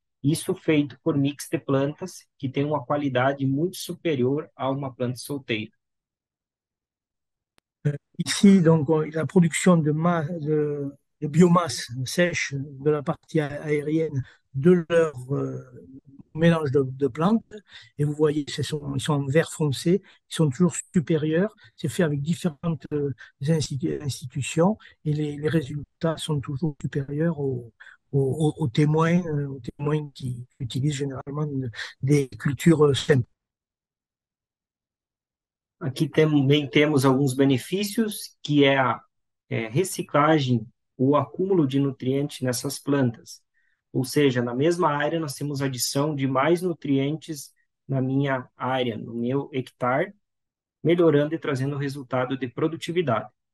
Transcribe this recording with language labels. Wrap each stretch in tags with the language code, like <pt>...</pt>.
<pt>Isso feito por mix de plantas, que tem uma qualidade muito superior a uma planta solteira.</pt> <fr>Ici, donc, la production de biomasse sèche de la partie aérienne de leur mélange de plantes. Et vous voyez, ils sont en vert foncé, ils sont toujours supérieurs. C'est fait avec différentes institutions et les résultats sont toujours supérieurs aux témoins qui utilisent généralement des cultures simples.</fr> <pt>Aqui também temos alguns benefícios, que é a reciclagem ou acúmulo de nutrientes nessas plantas. Ou seja, na mesma área nós temos adição de mais nutrientes na minha área, no meu hectare, melhorando e trazendo resultado de produtividade.</pt>